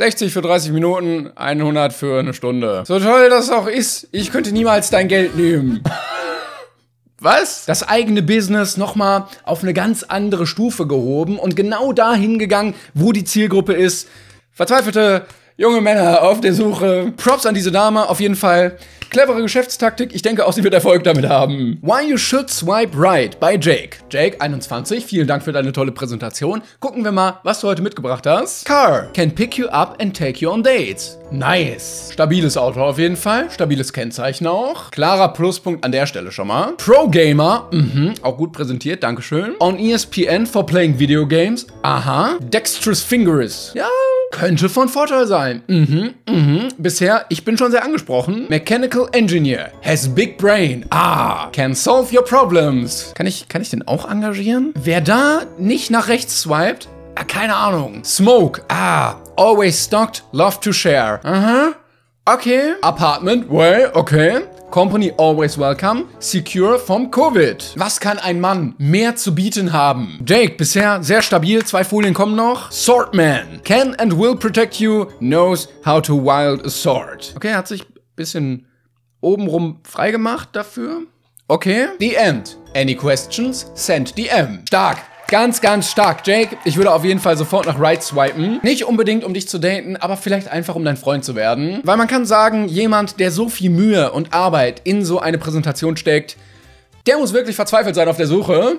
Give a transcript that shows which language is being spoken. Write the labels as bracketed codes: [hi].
[de] 60 für 30 Minuten, 100 für eine Stunde. So toll das auch ist, ich könnte niemals dein Geld nehmen. Was? Das eigene Business nochmal auf eine ganz andere Stufe gehoben und genau dahin gegangen, wo die Zielgruppe ist. Verzweifelte junge Männer auf der Suche. Props an diese Dame, auf jeden Fall. Clevere Geschäftstaktik, ich denke auch, sie wird Erfolg damit haben. [en] Why you should swipe right by Jake. [de] Jake21, vielen Dank für deine tolle Präsentation. Gucken wir mal, was du heute mitgebracht hast. [en] Car can pick you up and take you on dates. Nice. [de] Stabiles Auto auf jeden Fall. Stabiles Kennzeichen auch. Klarer Pluspunkt an der Stelle schon mal. Pro Gamer, auch gut präsentiert, dankeschön. [en] On ESPN for playing video games. Aha. Dexterous Fingers. Ja. [de] Könnte von Vorteil sein. Bisher, ich bin schon sehr angesprochen. [en] Mechanical Engineer has big brain. Ah, can solve your problems. [de] Kann ich den auch engagieren? Wer da nicht nach rechts swiped? Ah, keine Ahnung. Smoke. [en] Ah, always stocked, love to share. Aha, okay. Apartment, well, okay. Company always welcome, secure from Covid. [de] Was kann ein Mann mehr zu bieten haben? Jake, bisher sehr stabil, zwei Folien kommen noch. [en] Swordman, can and will protect you, knows how to wield a sword. [de] Okay, hat sich ein bisschen obenrum freigemacht dafür. [en] Okay, the end. Any questions, send DM. [de] Stark. Ganz, ganz stark. Jake, ich würde auf jeden Fall sofort nach right swipen. Nicht unbedingt, um dich zu daten, aber vielleicht einfach, um dein Freund zu werden. Weil man kann sagen, jemand, der so viel Mühe und Arbeit in so eine Präsentation steckt, der muss wirklich verzweifelt sein auf der Suche.